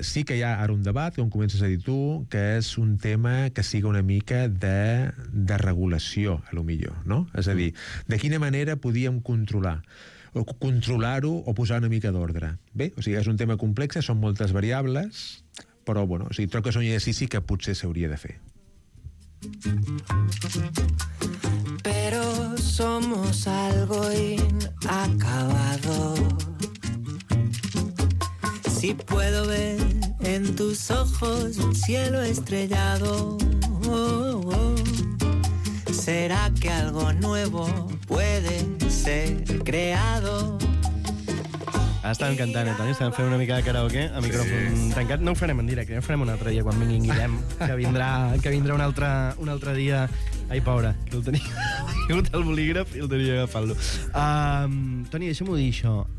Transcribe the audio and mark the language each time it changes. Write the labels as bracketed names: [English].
[Catalan] Sí que hi ha ara un debat, com comences a dir tu, que és un tema que sigui una mica de regulació, a lo millor, no? És a dir, de quina manera podíem controlar-ho o posar una mica d'ordre. Bé, o sigui, és un tema complex, són moltes variables, però, bueno, o sigui, trobo que és un exercici que potser s'hauria de fer. [Spanish] Pero somos algo inacabado. Si puedo ver en tus ojos un cielo estrellado, oh, oh. ¿Será que algo nuevo puede ser creado? [Catalan] Estàvem cantant, Toni, estàvem fent una mica de karaoke a micròfon tancat. No ho farem en directe, ho farem un altre dia quan vingui en Guillem, que vindrà un altre dia. Ai, pobre, que el tenia agafat el bolígraf i el tenia agafant-lo. Toni, deixa'm-ho dir, això.